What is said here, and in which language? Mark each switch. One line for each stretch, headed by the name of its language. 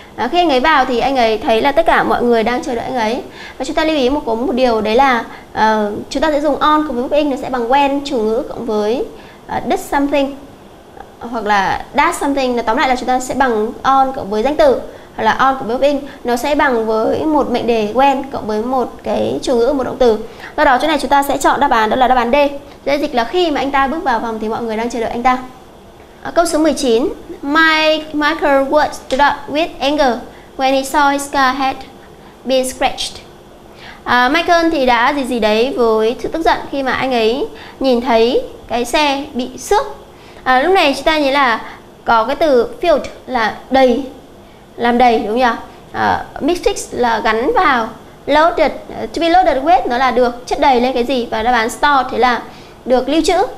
Vietnamese: Khi anh ấy vào thì anh ấy thấy là tất cả mọi người đang chờ đợi anh ấy. Và chúng ta lưu ý một điều, đấy là chúng ta sẽ dùng on cùng với verb ing, nó sẽ bằng when, chủ ngữ cộng với did something hoặc là does something, là tóm lại là chúng ta sẽ bằng on cộng với danh từ hoặc là on cộng với verb ing, nó sẽ bằng với một mệnh đề when cộng với một cái chủ ngữ, một động từ. Do đó chỗ này chúng ta sẽ chọn đáp án, đó là đáp án D. Dễ dịch là khi mà anh ta bước vào phòng thì mọi người đang chờ đợi anh ta. Câu số 19.
English: Michael was struck with anger when he saw his car had been scratched.
Vietnamese: Michael thì đã gì đấy với sự tức giận khi mà anh ấy nhìn thấy cái xe bị xước. Lúc này chúng ta nhớ là có cái từ filled là đầy, làm đầy, đúng không nhỉ? Mixed là gắn vào, loaded,
English: to be loaded with
Vietnamese: nó là được chất đầy lên cái gì, và đáp án store thì là được lưu trữ.